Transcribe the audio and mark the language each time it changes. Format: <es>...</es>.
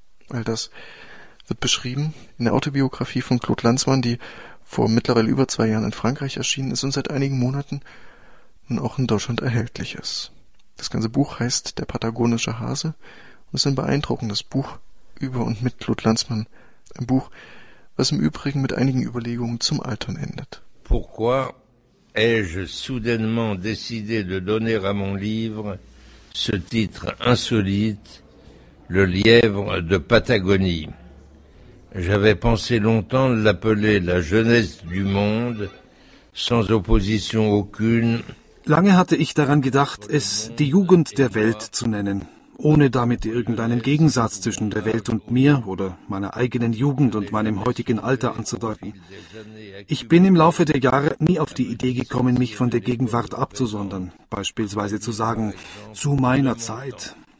<de>All das wird beschrieben in der Autobiografie von Claude Lanzmann, die vor mittlerweile über 2 Jahren in Frankreich erschienen ist und seit einigen Monaten nun auch in Deutschland erhältlich ist. Das ganze Buch heißt Der Patagonische Hase und ist ein beeindruckendes Buch über und mit Claude Lanzmann. Ein Buch, was im Übrigen mit einigen Überlegungen zum Altern endet.</de> <fr>Pourquoi ai-je soudainement décidé de donner à mon livre ce titre insolite, Le Lièvre de Patagonie? J'avais pensé longtemps l'appeler la jeunesse du monde, sans opposition aucune.</fr> <de>Lange hatte ich daran gedacht, es die Jugend der Welt zu nennen, ohne damit irgendeinen Gegensatz zwischen der Welt und mir oder meiner eigenen Jugend und meinem heutigen Alter anzudeuten. Ich bin im Laufe der Jahre nie auf die Idee gekommen, mich von der Gegenwart abzusondern, beispielsweise zu sagen, zu meiner Zeit.</de>